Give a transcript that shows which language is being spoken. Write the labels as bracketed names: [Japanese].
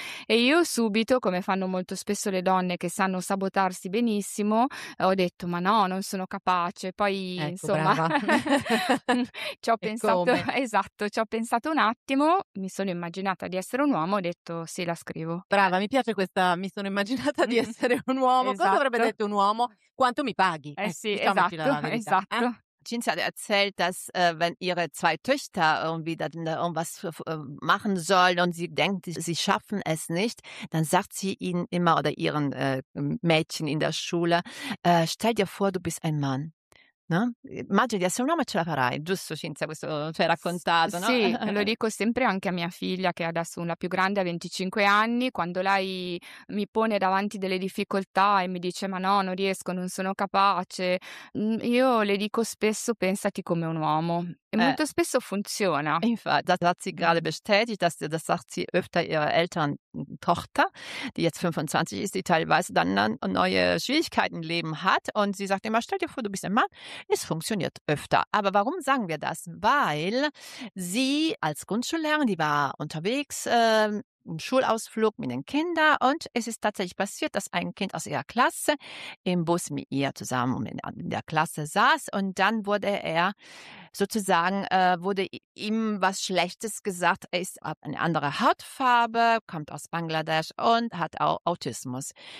[Italian] E io subito, come fanno molto spesso le donne che sanno sabotarsi benissimo, ho detto ma no, non sono capace. Poi ecco, insomma ci ho pensato, esatto, ci ho pensato un attimo, mi sono immaginata di essere un uomo, ho detto sì, la scrivo. Brava, mi piace questa, mi sono immaginata di essere un uomo. Esatto. Cosa avrebbe detto un uomo? Quanto mi paghi? Sì, esatto, esatto. [German] Cinzia hat erzählt, dass wenn ihre zwei Töchter irgendwie dann irgendwas machen sollen und sie denkt, sie schaffen es nicht, dann sagt sie ihnen immer oder ihren Mädchen in der Schule, stell dir vor, du bist ein Mann. [Italian] no? Immagini di essere un uomo e ce la farai, giusto Cinzia? Questo ci hai raccontato, no? Sì, lo dico sempre anche a mia figlia, che è adesso la più grande, ha 25 anni, quando lei mi pone davanti delle difficoltà e mi dice ma no, non riesco, non sono capace, io le dico spesso pensati come un uomo. E molto spesso funziona. [German] Infatti, das hat sie gerade bestätigt, dass das sagt sie öfter ihrer Elterntochter, die jetzt 25 ist, die teilweise dann neue Schwierigkeiten im Leben hat. Und sie sagt immer, stell dir vor, du bist ein Mann. Es funktioniert öfter. Aber warum sagen wir das? Weil sie als Grundschullehrerin, die war unterwegs, im Schulausflug mit den Kindern, und es ist tatsächlich passiert, dass ein Kind aus ihrer Klasse im Bus mit ihr zusammen in der Klasse saß, und dann wurde er sozusagen, wurde ihm was Schlechtes gesagt, er ist eine andere Hautfarbe, kommt aus Bangladesch und hat auch Autismus.